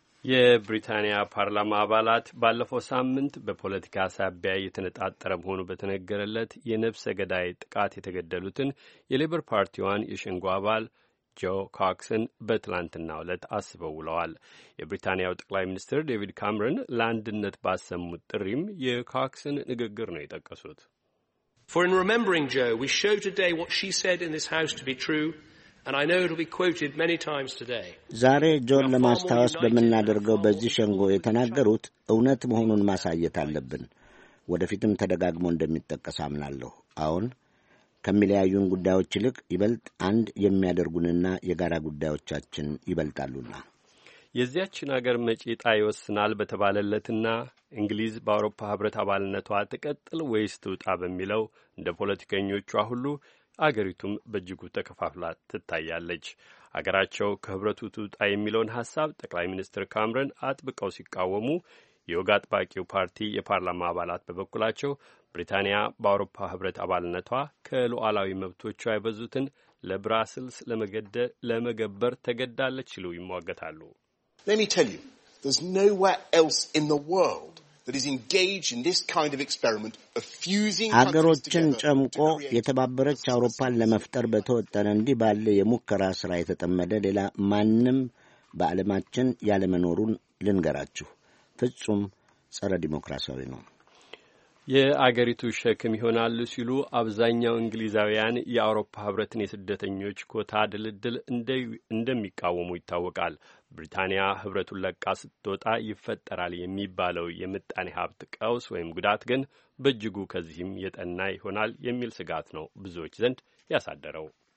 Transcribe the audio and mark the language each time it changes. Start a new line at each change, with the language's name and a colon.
Amharic: የብሪታንያ ፓርላማ አባላት ባለፈው ሳምንት በፖለቲካ ሳቢያ የተነጣጠረ መሆኑ በተነገረለት የነፍሰ ገዳይ ጥቃት የተገደሉትን የሌበር ፓርቲዋን የሸንጎ አባል ጆ ኮክስን በትላንትናው ዕለት አስበው ውለዋል። የብሪታንያው ጠቅላይ ሚኒስትር ዴቪድ ካምረን ለአንድነት ባሰሙት ጥሪም የኮክስን ንግግር ነው የጠቀሱት።
English: For in remembering Jo, we show today what she said in this house to be true. And I know it'll be quoted many times today.
Amharic: ዛሬ ጆን ለማስተዋወስ በመናደርገው በዚህ ሸንጎ የተናገሩት እውነት መሆኑን ማሳየት አለብን። ወደፊትም ተደጋግሞ እንደሚጠቀስ አምናለሁ። አሁን ከሚለያዩን ጉዳዮች ይልቅ ይበልጥ አንድ የሚያደርጉንና የጋራ ጉዳዮቻችን ይበልጣሉና የዚያችን አገር መጪ ዕጣ ይወስናል በተባለለትና እንግሊዝ በአውሮፓ ህብረት አባልነቷ ትቀጥል ወይስ ትውጣ በሚለው እንደ ፖለቲከኞቿ ሁሉ አገሪቱም በእጅጉ ተከፋፍላ ትታያለች። አገራቸው ከህብረቱ ትውጣ የሚለውን ሐሳብ ጠቅላይ ሚኒስትር ካምረን አጥብቀው ሲቃወሙ፣ የወግ አጥባቂው ፓርቲ የፓርላማ አባላት በበኩላቸው ብሪታንያ በአውሮፓ ህብረት አባልነቷ ከሉዓላዊ መብቶቿ የበዙትን ለብራስልስ ለመገበር ተገዳለች ሲሉ ይሟገታሉ።
English: Let me tell you, there's nowhere else in the world that is engaged in this kind of experiment of fusing
Amharic: አገሮችን ጨምቆ የተባበረች አውሮፓን ለመፍጠር በተወጠነ እንዲህ ባለ የሙከራ ስራ የተጠመደ ሌላ ማንም በዓለማችን ያለመኖሩን ልንገራችሁ፣ ፍጹም ጸረ ዲሞክራሲያዊ ነው። የአገሪቱ ሸክም ይሆናሉ ሲሉ አብዛኛው እንግሊዛውያን የአውሮፓ ህብረትን የስደተኞች ኮታ ድልድል እንደሚቃወሙ ይታወቃል። ብሪታንያ ህብረቱን ለቃ ስትወጣ ይፈጠራል የሚባለው የምጣኔ ሀብት ቀውስ ወይም ጉዳት ግን በእጅጉ ከዚህም የጠና ይሆናል የሚል ስጋት ነው ብዙዎች ዘንድ ያሳደረው።